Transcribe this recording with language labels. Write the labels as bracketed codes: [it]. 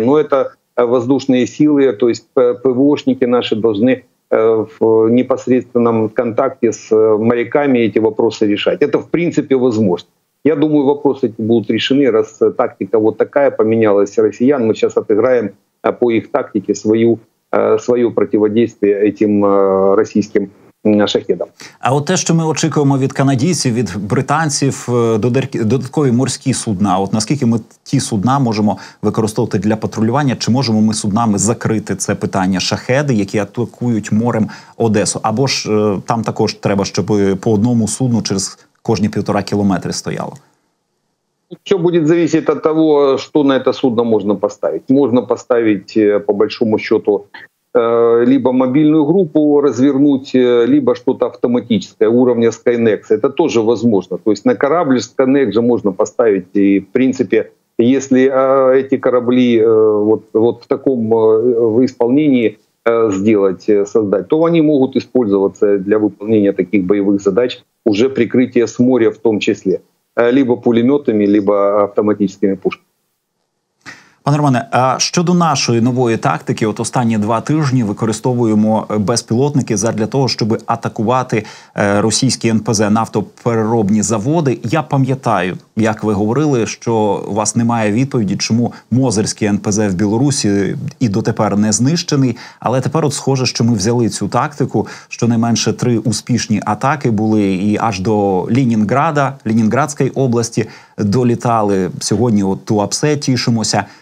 [ru] Но это воздушные силы, то есть ПВОшники наши должны в непосредственном контакте с моряками эти вопросы решать. Это в принципе возможно. Я думаю, вопросы эти будут решены, раз тактика вот такая поменялась россиян. Мы сейчас отыграем по их тактике свое противодействие этим российским шахедам. [uk] А от те, що ми очікуємо від канадійців, від британців, додаткові морські судна, от наскільки ми ті судна можемо використовувати для патрулювання, чи можемо ми суднами закрити це питання шахеди, які атакують морем Одесу? Або ж там також треба, щоб по одному судну через кожні 1,5 кілометри стояло? Все буде залежати від того, що на це судно можна поставити. Можна поставити, [ru] по большому счету, либо мобильную группу развернуть, либо что-то автоматическое уровня Skynex. Это тоже возможно. То есть на корабль Skynex же можно поставить. И, в принципе, если эти корабли вот в таком исполнении сделать, создать, то они могут использоваться для выполнения таких боевых задач, уже прикрытие с моря в том числе, либо пулеметами, либо автоматическими пушками. [uk] Пане Романе, а щодо нашої нової тактики, от останні два тижні використовуємо безпілотники задля того, щоб атакувати російські НПЗ, нафтопереробні заводи. Я пам'ятаю, як ви говорили, що у вас немає відповіді, чому Мозирський НПЗ в Білорусі і дотепер не знищений, але тепер от схоже, що ми взяли цю тактику, що не менше 3 успішні атаки були і аж до Лінінграда, Лінінградської області долітали. Сьогодні от Туапсе тішимося.